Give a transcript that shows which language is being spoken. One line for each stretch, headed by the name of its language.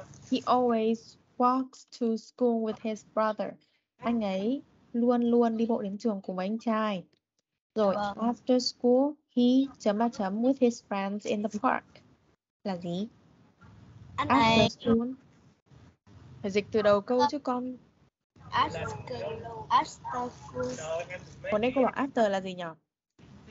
English: He always walks to school with his brother.
Vietnamese: Anh ấy luôn luôn đi bộ đến trường cùng với anh trai. Rồi, vâng.
English: After school, he
Vietnamese: chấm ba chấm
English: with his friends in the park.
Vietnamese: Là gì? Anh ấy...
English: After school.
Vietnamese: Phải dịch từ đầu câu chứ con.
English: After school.
Vietnamese: Còn đây cô bảo after là gì nhỉ?